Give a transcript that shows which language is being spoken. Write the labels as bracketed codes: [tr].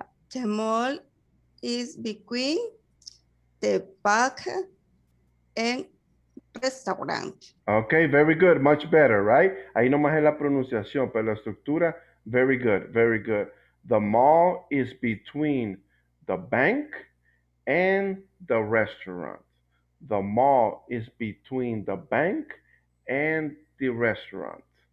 [en] The mall is between the park and restaurant. Okay, very good. Much better, right? [es] Ahí nomás es la pronunciación, pero la estructura, [en] very good, very good. The mall is between the bank and the restaurant. The mall is between the bank and the restaurant.